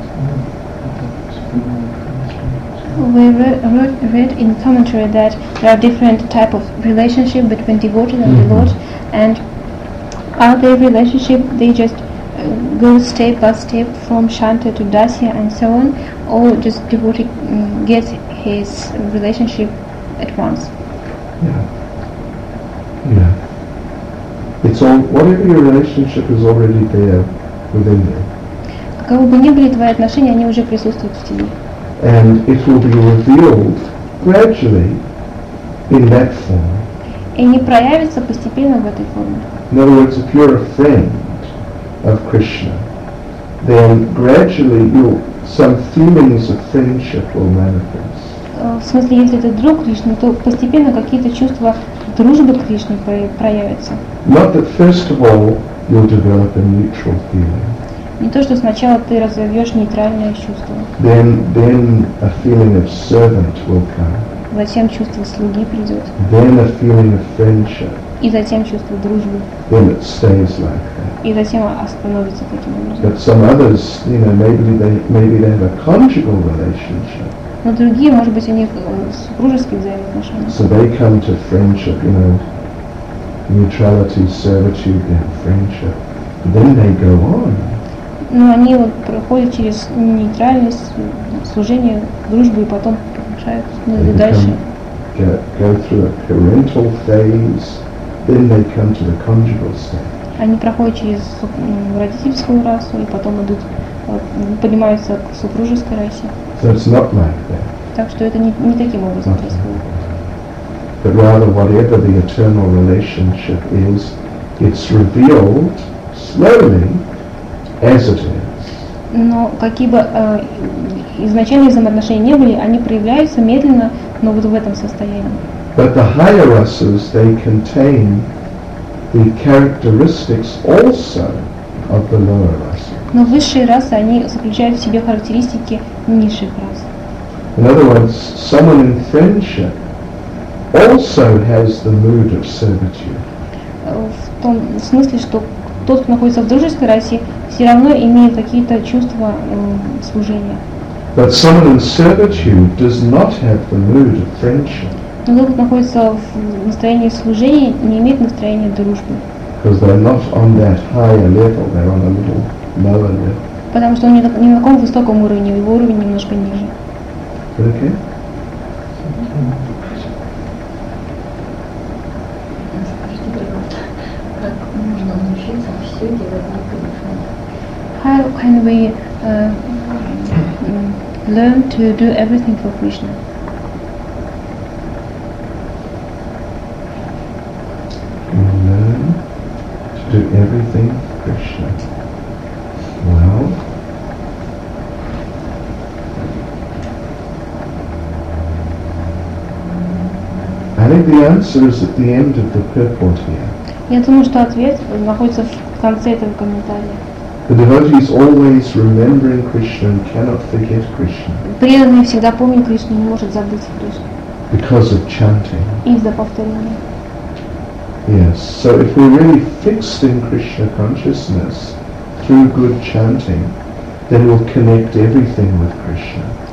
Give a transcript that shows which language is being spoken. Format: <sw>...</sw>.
<en>We read in commentary that there are different type of relationship between devotee and the Lord, and are their relationship they just go step by step from Shanta to Dasya and so on, or just devotee gets his relationship at once? Yeah. It's all, whatever your relationship is already there within you.</en> <ru>Каковы бы ни были твои отношения, они уже присутствуют в тебе.</ru> <en>And it will be revealed gradually in that form.</en> <ru>И они проявятся постепенно в этой форме.</ru> <en>In other words, if you're a friend of Krishna, then gradually you'll, some feelings of friendship will manifest.</en> <ru>В смысле, если ты друг Кришны, то постепенно какие-то чувства дружбы к Кришне проявятся.</ru> <en>Not that first of all you'll develop a neutral feeling.</en> <ru>Не то, что сначала ты разовьешь нейтральное чувство.</ru> <en>Then a feeling of servant will come.</en> <ru>Затем чувство слуги придет.</ru> <en>Then a feeling of friendship.</en> <ru>И затем чувство дружбы.</ru> <en>Then it stays like that.</en> <ru>И затем остановится таким образом.</ru> <en>But some others, you know, maybe they have a conjugal relationship.</en> <ru>Но другие, может быть, у них супружеские взаимоотношения.</ru> <en>So they come to friendship, you know, neutrality, servitude, then friendship. Then they go on.</en> <ru>Но они вот проходят через нейтральность, служение, дружбу и потом повышают дальше.</ru> <en>Go through a parental phase, then they come to the conjugal stage.</en> <ru>Они проходят через родительскую расу и потом идут, поднимаются к супружеской расе.</ru> <en>So it's not like that.</en> <ru>Так что это не таким образом происходит.</ru> <en>But rather, whatever the eternal relationship is, it's revealed slowly. As it is.</en> <ru>Но какие бы изначальные взаимоотношения не были, они проявляются медленно, но вот в этом состоянии.</ru> <en>But the higher rasas, they contain the characteristics also of the lower rasas.</en> <ru>Но высшие расы, они заключают в себе характеристики низших рас.</ru> <en>In other words, someone in friendship also has the mood of servitude.</en> <ru>В том смысле, что тот, кто находится в дружеской расе, все равно имеет какие-то чувства служения.</ru> <en>But someone in servitude does not have the mood of friendship.</en> <ru>Но тот, кто находится в настроении служения, не имеет настроения дружбы.</ru> <en>Because they're not on that higher level, they're on a little lower level.</en> <ru>Потому что он не на таком высоком уровне, его уровень немножко ниже.</ru> <en>Okay. How can we learn to do everything for Krishna? Learn to do everything for Krishna. Well, I think the answer is at the end of the purport here.</en> <ru>Я думаю, что ответ находится в конце этого комментария.</ru> <en>The devotee is always remembering Krishna and cannot forget Krishna.</en> <ru>Преданный всегда помнит Кришну, не может забыть Кришну.</ru> <en>Because of chanting.</en> <ru>Из-за повторения.</ru> <en>Yes. So if we're really fixed in Krishna consciousness through good chanting, then we'll connect everything with Krishna.</en>